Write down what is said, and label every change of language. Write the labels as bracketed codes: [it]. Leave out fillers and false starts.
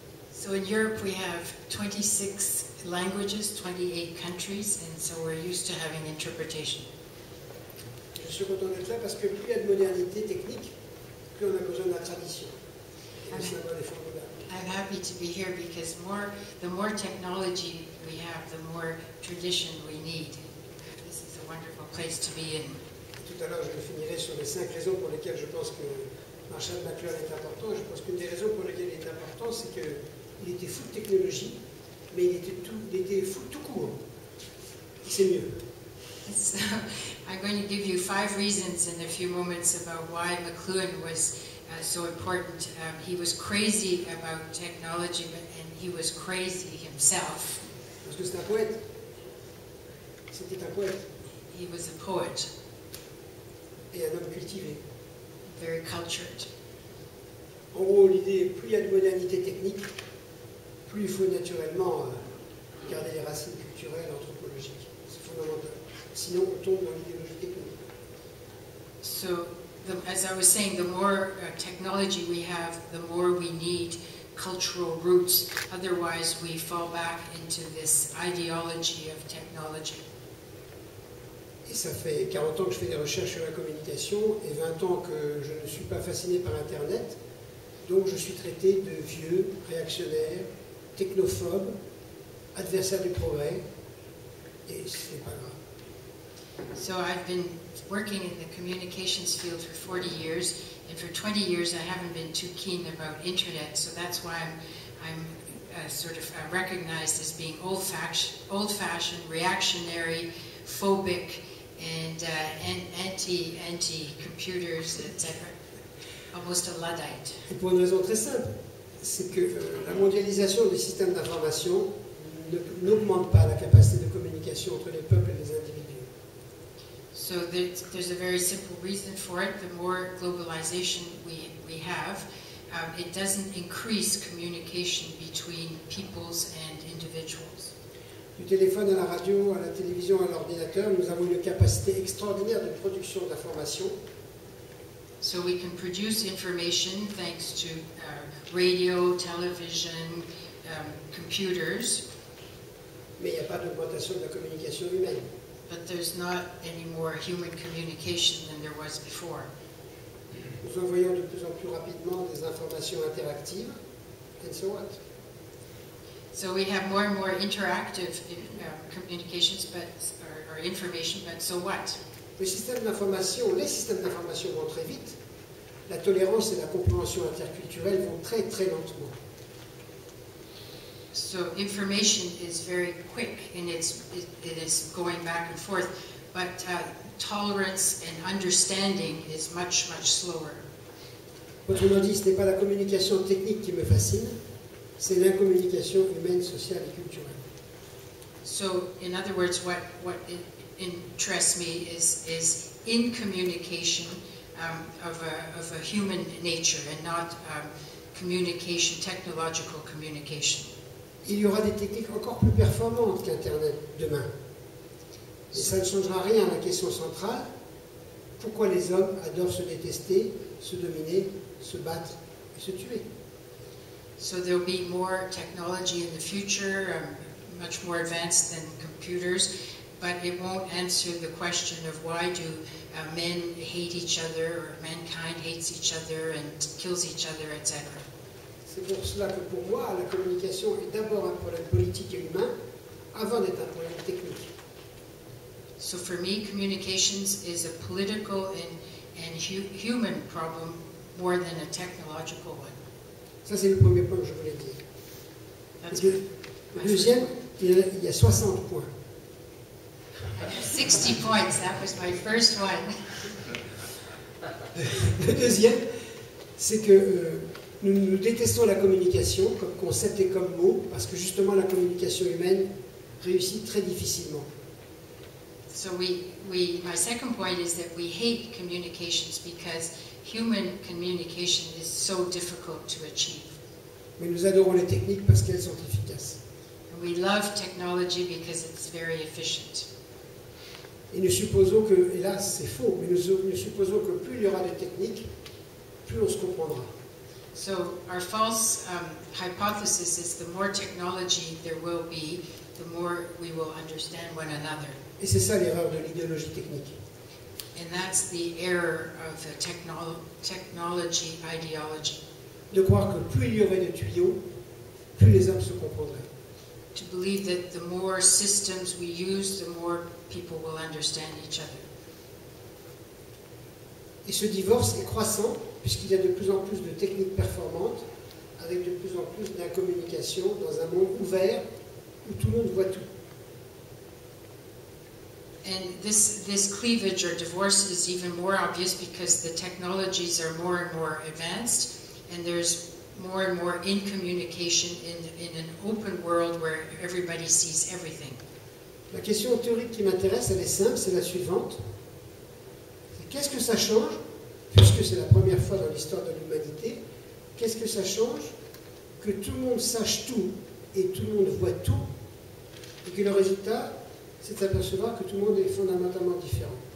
[en] So in Europe we have 26 languages, 28 countries, and so we're used to having interpretation. [fr] Je suis content d'être là parce que plus il y a de modernité technique, plus on a besoin de la tradition. [en] I'm happy to be here because the more technology we have, the more tradition we need. This is a wonderful place to be in. [fr] Tout à l'heure, je finirai sur les 5 raisons pour lesquelles je pense que Marshall McLuhan est important. Je pense qu'une des raisons pour lesquelles il est important, c'est qu'il était fou de technologie, mais il était fou tout court. C'est mieux. [en] So, I'm going to give you 5 reasons in a few moments about why McLuhan was so important. He was crazy about technology, and he was crazy himself. [fr] Parce que c'est un poète. C'était un poète. [en] He was a poet. [fr] Et un homme cultivé. [en] Very cultured. [fr] En gros, l'idée, plus il y a de modernité technique, plus il faut naturellement garder les racines culturelles, anthropologiques. C'est fondamental. Sinon, on tombe dans l'idéologie technique. [en] So, as I was saying, the more technology we have, the more we need cultural roots. Otherwise, we fall back into this ideology of technology. [fr] Et ça fait 40 ans que je fais des recherches sur la communication et 20 ans que je ne suis pas fasciné par Internet. Donc je suis traité de vieux, réactionnaire, technophobe, adversaire du progrès. Et ce n'est pas grave. [en] So I've been working in the communications field for 40 years, and for 20 years I haven't been too keen about internet, so that's why I'm recognized as being old-fashioned, reactionary, phobic, and anti-computers, etc. Almost a Luddite. [fr] Et pour une raison très simple, c'est que la mondialisation des systèmes d'information n'augmente pas la capacité de communication entre les peuples et les individus. [en] So there's a very simple reason for it. The more globalization we have, it doesn't increase communication between peoples and individuals. [fr] Du téléphone à la radio, à la télévision, à l'ordinateur, nous avons une capacité extraordinaire de production d'information. [en] So we can produce information thanks to radio, television, computers. [fr] Mais il n'y a pas d'augmentation de la communication humaine. [en] But there's not any more human communication than there was before. [fr] Nous envoyons de plus en plus rapidement des informations interactives, [en] and so on. So we have more and more interactive communications, or information, but so what? [fr] Les systèmes d'information vont très vite. La tolérance et la compréhension interculturelle vont très très lentement. [en] So information is very quick and it is going back and forth. but tolerance and understanding is much, much slower. [fr] Autrement dit, ce n'est pas la communication technique qui me fascine, c'est la communication humaine, sociale et culturelle. [en] So, in other words, what interests me is in communication of a human nature and not communication, technological communication. [fr] Il y aura des techniques encore plus performantes qu'Internet demain. Et ça ne changera rien à la question centrale. Pourquoi les hommes adorent se détester, se dominer, se battre et se tuer? [en] So there will be more technology in the future, much more advanced than computers, but it won't answer the question of why do men hate each other, or mankind hates each other and kills each other, etc. [fr] C'est pour cela que pour moi, la communication est d'abord un problème politique et humain avant d'être un problème technique. [en] So for me, communications is a political and human problem more than a technological one. [fr] Ça, c'est le premier point que je voulais dire. Deuxième, il y a 60 points. [en] 60 points, that was my first one. [fr] Le deuxième, c'est que nous détestons la communication comme concept et comme mot, parce que justement la communication humaine réussit très difficilement. [en] So my second point is that we hate communications because human communication is so difficult to achieve. [fr] Mais nous adorons les techniques parce qu'elles sont efficaces. [en] And we love technology because it's very efficient. [fr] Et nous supposons que, hélas, c'est faux, mais nous supposons que plus il y aura de techniques, plus on se comprendra. [en] So our false hypothesis is the more technology there will be, the more we will understand one another. [fr] Et c'est ça l'erreur de l'idéologie technique. [en] And that's the error of the technology ideology. [fr] De croire que plus il y aurait de tuyaux, plus les hommes se comprendraient. [en] To believe that the more systems we use, the more people will understand each other. [fr] Et ce divorce est croissant, puisqu'il y a de plus en plus de techniques performantes, avec de plus en plus d'incommunication dans un monde ouvert, où tout le monde voit tout. [en] And this cleavage or divorce is even more obvious because the technologies are more and more advanced and there's more and more in communication in an open world where everybody sees everything. [fr] La question théorique qui m'intéresse, elle est simple, c'est la suivante. C'est qu'est-ce que ça change, puisque c'est la première fois dans l'histoire de l'humanité, qu'est-ce que ça change que tout le monde sache tout et tout le monde voit tout et que le résultat, c'est d'apercevoir que tout le monde est fondamentalement différent.